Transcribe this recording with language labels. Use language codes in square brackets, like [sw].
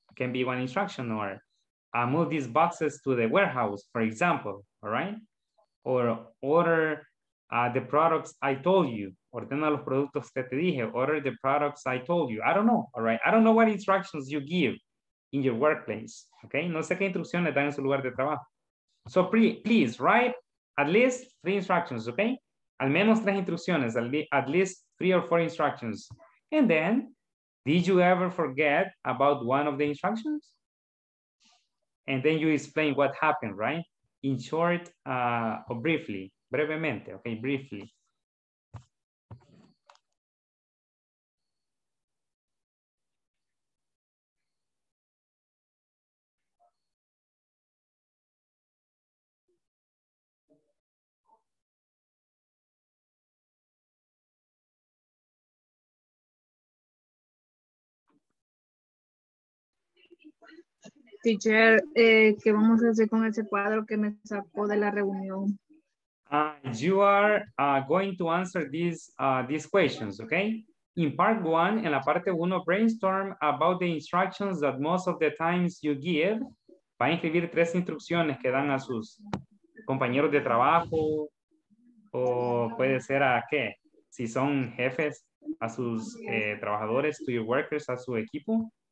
[en] Can be one instruction or move these boxes to the warehouse, for example, all right? Or order the products I told you. [es] Ordena los productos que te dije. [en] Order the products I told you. I don't know, all right? I don't know what instructions you give in your workplace, okay? [es] No sé qué instrucciones dan en su lugar de trabajo. [en] So please write at least 3 instructions, okay? [es] Al menos 3 instrucciones, [en] at least 3 or 4 instructions. And then, did you ever forget about one of the instructions? And then you explain what happened, right? In short, or briefly, [es] brevemente, [en] okay, briefly. Okay. [es] Teacher, ¿qué vamos a hacer con ese cuadro que me sacó de la reunión? [en] You are going to answer these questions, okay? In part one, [es] en la parte uno, [en] brainstorm about the instructions that most of the times you give. [es] Va a escribir tres instrucciones que dan a sus compañeros de trabajo, o puede ser a qué, si son jefes, a sus trabajadores, [en] to your workers, [es] a su equipo.